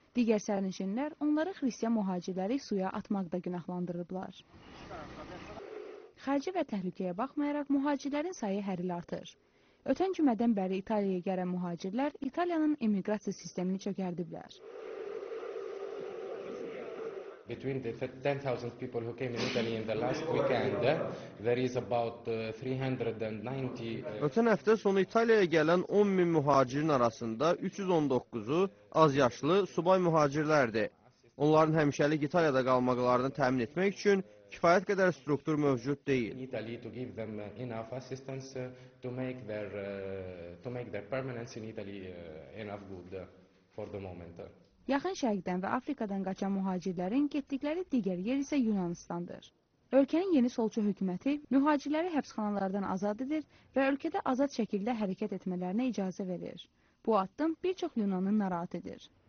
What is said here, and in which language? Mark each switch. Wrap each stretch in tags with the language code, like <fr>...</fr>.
<az>Digər sərnişinlər onları xristiyan mühacirləri suya atmaqda günahlandırıblar. Xərci və təhlükəyə baxmayaraq, mühacirlərin sayı hər il artır. Ötən cümədən bəri İtaliyaya gələn mühacirlər İtaliyanın immiqrasiya sistemini çökərdiblər.</az> <en>Between the 10,000 people who came in Italy in the last weekend, there is about 390...</en> <az>Ötən həftə sonu İtaliyaya gələn 10,000 mühacirin arasında 319-u az yaşlı subay mühacirlərdir. Onların həmişəlik İtaliyada qalmaqlarını təmin etmək üçün kifayət qədər struktur mövcud deyil.</az> <en>Italy to give them enough assistance to make their permanence in Italy enough good for the moment.</en> <az>Yaxın Şərqdən və Afrikadan qaçan mühacirlərin getdikləri digər yer isə Yunanistandır. Ölkənin yeni solçu hökuməti mühacirləri həbsxanalardan azad edir və ölkədə azad şəkildə hərəkət etmələrinə icazə verir. Bu addım bir çox Yunanı narahat edir.</az>